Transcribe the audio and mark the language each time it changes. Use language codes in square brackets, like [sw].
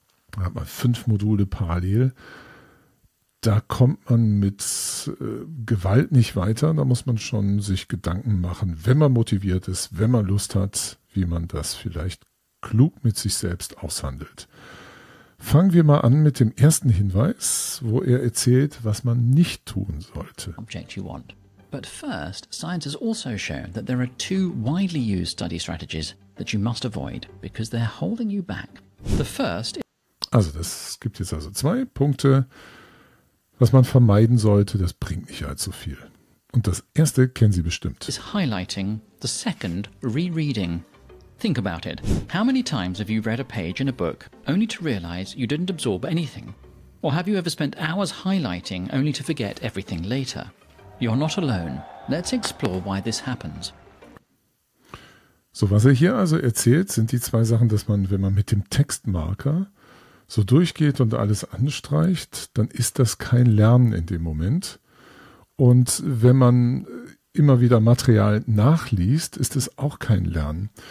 [de] Da hat man 5 Module parallel. Da kommt man mit Gewalt nicht weiter. Da muss man schon sich Gedanken machen, wenn man motiviert ist, wenn man Lust hat, wie man das vielleicht klug mit sich selbst aushandelt. Fangen wir mal an mit dem ersten Hinweis, wo er erzählt, was man nicht tun sollte. [en] Object you want. But first, science has also shown that there are 2 widely used study strategies that you must avoid, because they're holding you back. The first is... [de] Also, das gibt jetzt also 2 Punkte, was man vermeiden sollte, das bringt nicht allzu viel. Und das erste kennen Sie bestimmt. [en] Is highlighting, the second, rereading. Think about it. How many times have you read a page in a book, only to realize you didn't absorb anything? Or have you ever spent hours highlighting, only to forget everything later? You're not alone. Let's explore why this happens. [de] So, was er hier also erzählt, sind die 2 Sachen, dass man, wenn man mit dem Textmarker so durchgeht und alles anstreicht, dann ist das kein Lernen in dem Moment. Und wenn man immer wieder Material nachliest, ist es auch kein Lernen.